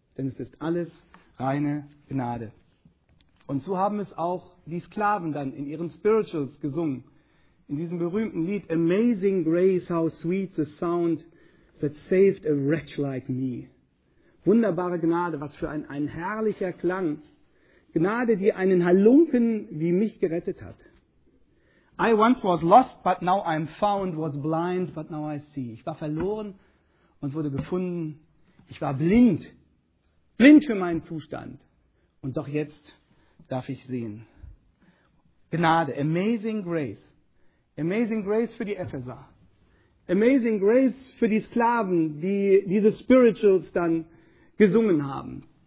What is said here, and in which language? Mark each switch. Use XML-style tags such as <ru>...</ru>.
<de>Denn es ist alles reine Gnade. Und so haben es auch die Sklaven dann in ihren Spirituals gesungen. In diesem berühmten Lied,</de> <en>Amazing Grace, how sweet the sound that saved a wretch like me.</en> <de>Wunderbare Gnade, was für ein herrlicher Klang. Gnade, die einen Halunken wie mich gerettet hat.</de> <en>I once was lost, but now I'm found, was blind, but now I see.</en> <de>Ich war verloren und wurde gefunden. Ich war blind. Blind für meinen Zustand. Und doch jetzt darf ich sehen. Gnade. Amazing Grace. Amazing Grace für die Epheser. Amazing Grace für die Sklaven, die diese Spirituals dann gesungen haben.</de>